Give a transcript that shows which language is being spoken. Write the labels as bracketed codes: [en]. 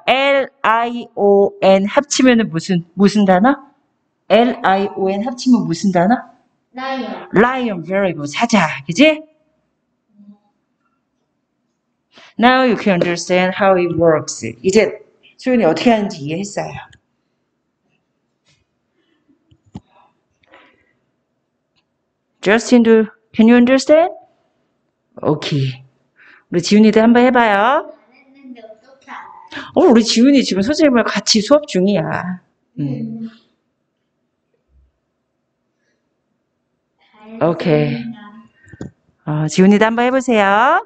[ko] L, I, O, N 합치면 무슨 단어? L, I, O, N 합치면 무슨 단어? [en] Lion, very good. [ko] 사자, 그지? [en] Now you can understand how it works. [ko] 이제 소윤이 어떻게 하는지 이해했어요. [en] 저스틴도 can you understand? Okay. [ko] 우리 지훈이도 한번 해봐요. 어, 우리 지훈이 지금 선생님과 같이 수업 중이야. 오케이. 지훈이도 한번 해보세요.